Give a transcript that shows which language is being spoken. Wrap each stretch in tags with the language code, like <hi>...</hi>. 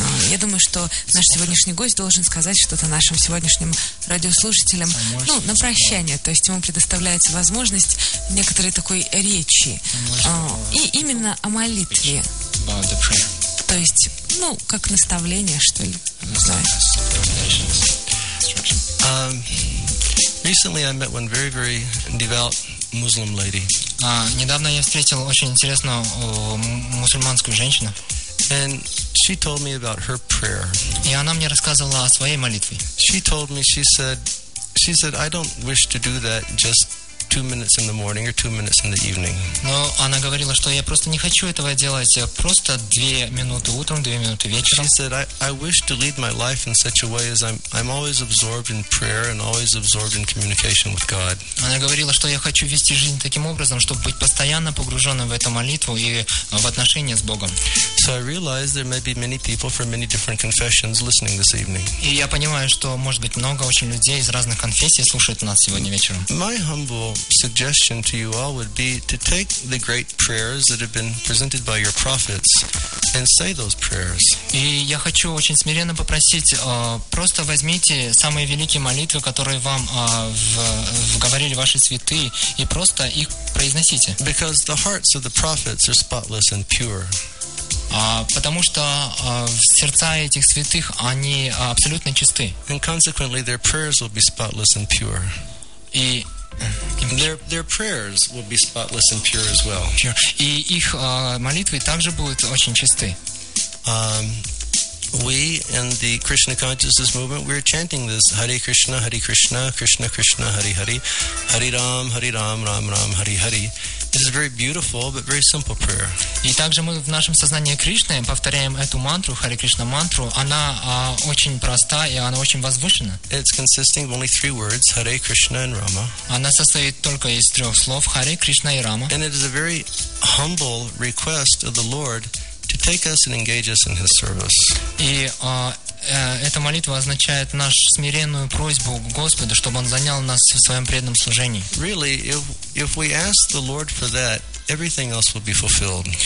<ru>Я думаю, что наш сегодняшний гость должен сказать что-то нашим сегодняшним радиослушателям, на прощание. То есть ему предоставляется возможность некоторой такой речи. И именно о молитве. То есть, как наставление, что ли.</ru> <en>Recently I met one very, very devout Muslim lady.</en> <ru>Недавно я встретил очень интересную мусульманскую женщину.</ru> <en>And she told me about her prayer.</en> <ru>И она мне рассказывала о своей молитве.</ru> <en>She told me, she said, I don't wish to do that just 2 minutes in the morning or 2 minutes in the evening.</en> <ru>Но она говорила, что я просто не хочу этого делать, просто 2 минуты утром, 2 минуты вечером.</ru> <en>She said, I wish to lead my life in such a way as I'm always absorbed in prayer and always absorbed in communication with God.</en> <ru>Она говорила, что я хочу вести жизнь таким образом, чтобы быть постоянно погруженным в эту молитву и в отношения с Богом.</ru> <en>So I realized there may be many people from many different confessions listening this evening.</en> <ru>И я понимаю, что может быть много очень людей из разных конфессий слушают нас сегодня вечером.</ru> <en>My humble suggestion to you all would be to take the great prayers that have been presented by your prophets and say those prayers.</en> <ru>И я хочу очень смиренно попросить, просто возьмите самые великие молитвы, которые вам говорили ваши святые, и просто их произносите.</ru> <en>Because the hearts of the prophets are spotless and pure.</en> <ru>Потому что сердца этих святых, они абсолютно чисты.</ru> <en>And consequently their prayers will be spotless and pure.</en> <ru>И</ru> <en>Their prayers will be spotless and pure as well. Sure.</en> <ru>И их молитвы также будут очень чисты.</ru> <en>We in the Krishna consciousness movement, we're chanting this Hare Krishna, Hare Krishna, Krishna Krishna, Hare Hare, Hare Ram, Hare Ram, Ram Ram, Hare Hare. This is a very beautiful but very simple prayer.</en> <ru>И также мы в нашем сознании Кришны повторяем эту мантру, Hare Krishna мантру. Она очень проста и она очень возвышена.</ru> <en>It's consisting of only 3 words, Hare Krishna and Rama.</en> <ru>Она состоит только из 3 слов, Hare Krishna и Rama.</ru> <en>And it is a very humble request of the Lord to take us and engage us in His service.</en> <ru>И эта молитва означает нашу смиренную просьбу к Господу, чтобы Он занял нас в своем преданном служении.</ru> <en>Really, if we ask the Lord for that, everything else will be fulfilled.</en>